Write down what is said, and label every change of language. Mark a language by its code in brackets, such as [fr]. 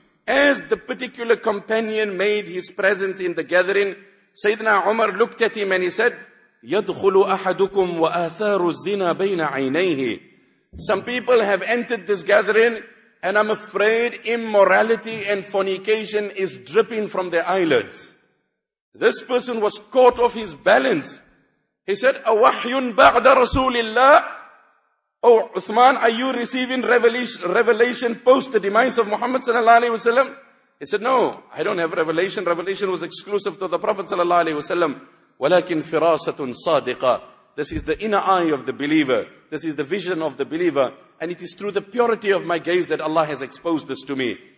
[en] As the particular companion made his presence in the gathering, Sayyidina Umar looked at him and he said, [ar] يَدْخُلُ أَحَدُكُمْ وَآثَارُ الزِّنَا بَيْنَ عَيْنَيْهِ. [en] Some people have entered this gathering and I'm afraid immorality and fornication is dripping from their eyelids. This person was caught off his balance. He said, [ar] أَوَحْيٌ بَعْدَ رَسُولِ اللَّهِ. [en] Oh, Uthman, are you receiving revelation post the demise of Muhammad sallallahu alaihi wasallam? He said, no, I don't have revelation. Revelation was exclusive to the Prophet sallallahu alaihi wasallam. [ar] Walakin firasatun sadiqa. [en] This is the inner eye of the believer. This is the vision of the believer. And it is through the purity of my gaze that Allah has exposed this to me.